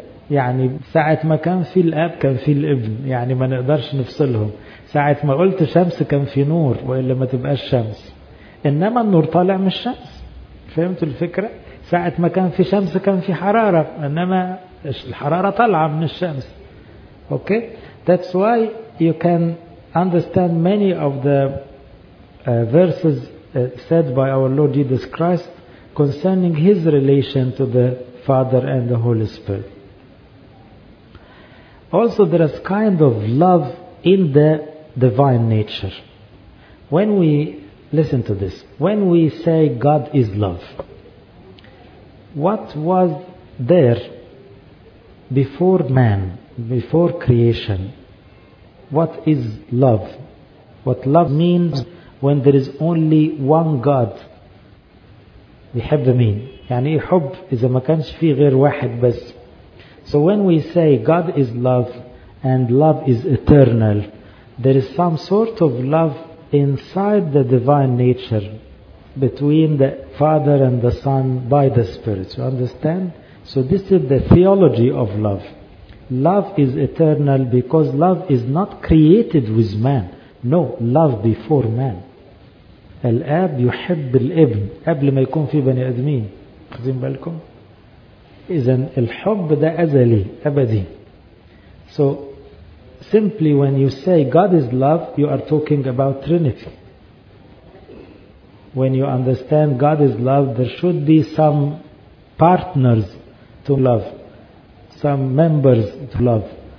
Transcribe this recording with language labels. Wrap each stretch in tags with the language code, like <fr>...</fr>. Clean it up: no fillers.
<ar>يعني ساعة ما كان في الأب كان في الابن, يعني ما نقدرش نفصلهم. ساعة ما قلت شمس كان في نور, وإلا ما تبقى الشمس, إنما النور طالع من الشمس. فهمت الفكرة؟ ساعة ما كان في شمس كان في حرارة, إنما الحرارة طالعة من الشمس.</ar> <en>Okay, that's why you can understand many of the verses said by our Lord Jesus Christ concerning His relation to the Father and the Holy Spirit. Also, there is kind of love in the divine nature. When we listen to this, when we say God is love, what was there before man, before creation? What is love? What love means when there is only one God? We have the mean.</en> <ar>يعني حب إذا ما كانش في غير واحد بس.</ar> <en>So when we say God is love and love is eternal, there is some sort of love inside the divine nature between the Father and the Son by the Spirit. You understand? So this is the theology of love. Love is eternal because love is not created with man. No, love before man.</en> <ar>الأب يحب الابن قبل ما يكون في بني أدمين. خذين بالكم؟ إذن الحب ده أزلي أبدي.</ar> <en>So simply when you say God is love, you are talking about Trinity. When you understand God is love, there should be some partners to love, some members to love.</en>